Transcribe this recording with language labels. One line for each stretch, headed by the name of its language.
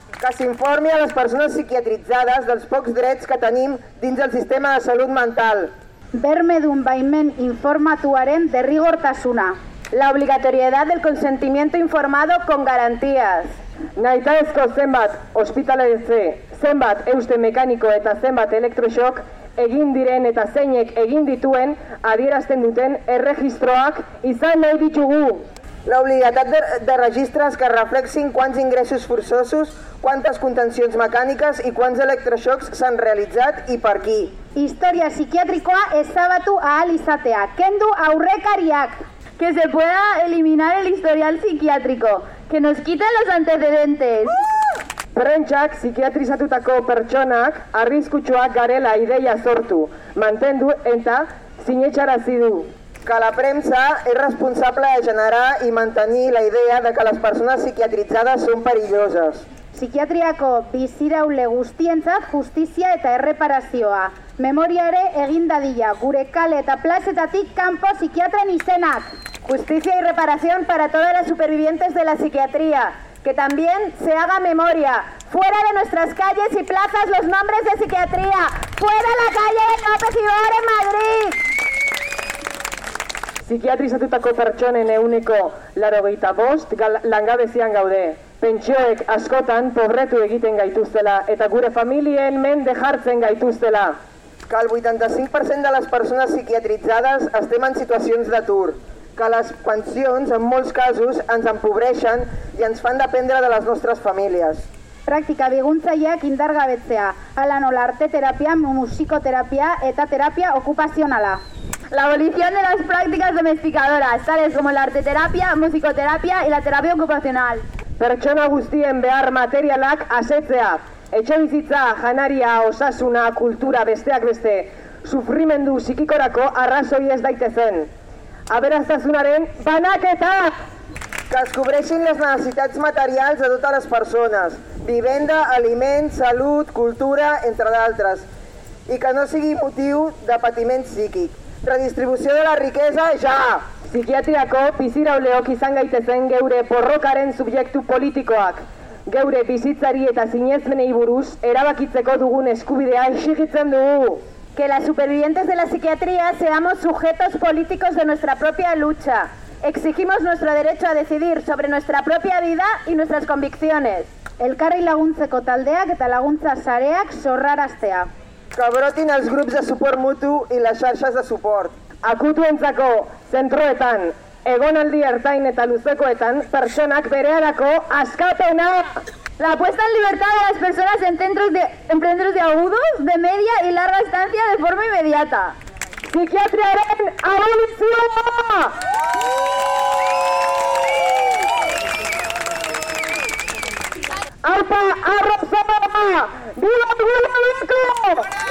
Catalan: Que s'informi a les persones psiquiatritzades dels pocs drets que tenim dins del sistema de salut mental.
Basque: Bermedun baimen informatuaren derrigortasuna.
Spanish: La obligatoriedad del consentimiento informado con garantías.
Basque: Nahitaezko zenbat ospitaletze zenbat euste mekaniko eta zenbat elektroxok egin diren eta zeinek egin dituen adierazten duten erregistroak izan nahi ditugu.
Catalan: La obligatat de registres que reflexin quants ingressos forçosos, quantes contencions mecàniques i quants electroxocs s'han realitzat i per qui.
Basque: Història psiquiàtricoa ezabatu ahal izatea. Kendu aurrekariak.
Spanish: Que se pueda eliminar el historial psiquiátrico. Que nos quiten los antecedentes.
Basque: Prentxak psikiatrizatutako pertsonak arriskutsuak garela ideia sortu, mantendu eta sinetxarazi du.
Catalan: Que la premsa és responsable de generar i mantenir la idea de que les persones psiquiatritzades són perilloses.
Basque: Psikiatriako biziraule guztientzat justizia eta erreparazioa. Memoria ere egin dadila, gure kale eta plazetatik kanpo psikiatren izenak.
Spanish: Justizia y reparación para todas las supervivientes de la psiquiatría. Que también se haga memoria. Fuera de nuestras calles y plazas los nombres de psiquiatría. Fuera la calle de López Ibor en Madrid.
Basque: Psikiatrizatutako pertsonen euneko 85 langabezian gaude. Pentsioek askotan pobretu egiten gaituztela eta gure familien mende jartzen gaituztela.
Catalan: Que el 85% de les persones psiquiatritzades estem en situacions d'atur. Que les pensions, en molts casos, ens empobreixen i ens fan dependre de les nostres famílies.
Basque: Praktika biguntzaileak indargabetzea, hala nola arteterapia, musikoterapia eta terapia okupazionala.
Spanish: La abolición de las prácticas domesticadoras, tales como la arteterapia, musikoterapia y la terapia ocupacional.
Basque: Pertsona guztien behar materialak asetzea, etxebizitza, janaria, osasuna, kultura, besteak beste, sufrimendu psikikorako arrazoi ez daitezen. Aberastasunaren banaketa!
Catalan: Que es cobreixin les necessitats materials de totes les persones. Vivenda, aliment, salut, cultura, entre d'altres. I que no sigui motiu de patiment psíquic. Redistribució de la riquesa, ja!
Basque: Psikiatriako bizirauleok izan gaitezen geure porrokaren subjektu politikoak. Geure bizitzari eta sinesmenei buruz erabakitzeko dugun eskubidea exigitzen dugu.
Spanish: Que las supervivientes de la psiquiatría seamos sujetos políticos de nuestra propia lucha. Exigimos nuestro derecho a decidir sobre nuestra propia vida y nuestras convicciones.
Basque: Elkarri laguntzeko taldeak eta laguntza sareak sorraraztea.
Catalan: Que brotin els grups de suport mutu i les xarxes de suport.
Basque: Akutuentzako zentroetan, egonaldi ertain eta luzekoetan, pertsonak berearako askapena!
Spanish: La puesta en libertad de las personas en centros de agudos, de media y larga estancia de forma inmediata.
Basque: ¡Psiquiatriaren abolizioa!
Spanish: ¡Arpa, arrozaba! ¡Viva el huelga loco!